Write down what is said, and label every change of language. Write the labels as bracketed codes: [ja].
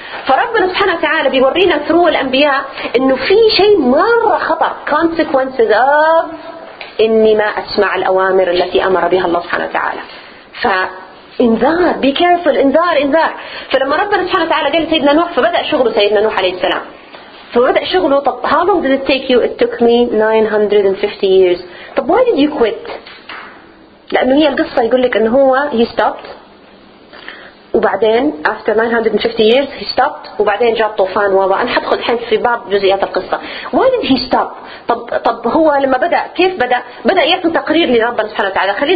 [ar] فربنا سبحانه وتعالى بيورينا [en] through [ar] الانبياء انه في شيء مرة خطر [en] consequences of [ar] اني ما اسمع الاوامر التي امر بها الله سبحانه وتعالى. فانذار، [en] be careful، [ar] انذار. فلما ربنا سبحانه وتعالى قال سيدنا نوح، فبدأ شغله سيدنا نوح عليه السلام، فبدأ شغله. [en] طب how long did it take you؟ it took me 950 years. [ar] طب [en] why did you quit؟ [ar] لأنه هي القصة يقول لك أنه هو [en] he stopped، [ar] وبعدين [en] after 950 years he stopped، [ar] وبعدين جاء طوفان. وأنا حدخل الحين في بعض جزئيات القصة. [en] why did he stop؟ [ar] طب هو لما بدأ كيف بدأ؟ بدأ يعطي تقرير لربنا سبحانه وتعالى.